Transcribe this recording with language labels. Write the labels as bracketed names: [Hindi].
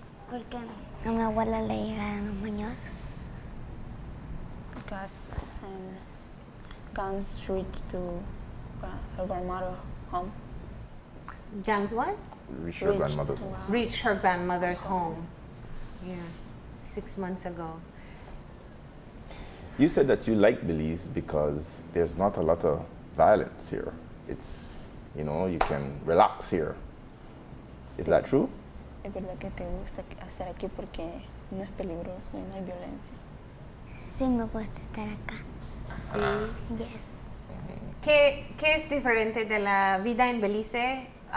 [Spanish] Porque a mi abuela le llegaron los niños. [English] Gas and guns reached to her grandmother's home. Guns what? Reached her grandmother's home. Yeah, 6 months ago. You said that you like Belize because there's not a lot of violence here. It's, you know, you can relax here. Is that true? [Spanish] Es verdad que te gusta estar aquí porque no es peligroso y no hay violencia. Sí, me gusta estar acá. Sí. [English] Yes. [Spanish] ¿Qué es diferente de la vida en Belice?